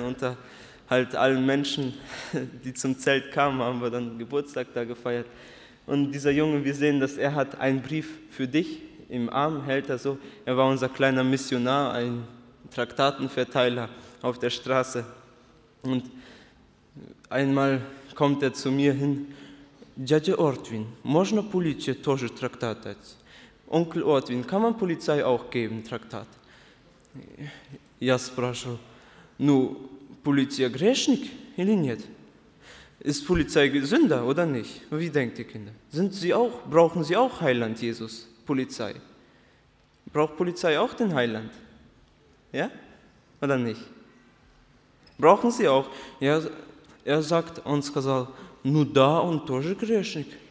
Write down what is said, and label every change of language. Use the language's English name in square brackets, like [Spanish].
[German] Unter halt allen Menschen, die zum Zelt kamen, haben wir dann Geburtstag da gefeiert. Und dieser Junge, wir sehen, dass er hat einen Brief für dich im Arm, hält er so. Er war unser kleiner Missionar, ein Traktatenverteiler auf der Straße. Und einmal kommt er zu mir hin. [Russian] Дядя Ортвин, можно полиции тоже трактат дать? [German] Onkel Ortwin, kann man Polizei auch geben, Traktat? [Russian] Я спрашиваю, ну, полиция грешник или нет? [German] Ist Polizei Sünder oder nicht? Wie denkt ihr, Kinder? Sind sie auch, brauchen sie auch Heiland, Jesus, Polizei? Braucht Polizei auch den Heiland? Ja? Oder nicht? Brauchen sie auch? Ja, er sagt uns, [Russian] сказал, ну да, он тоже грешник.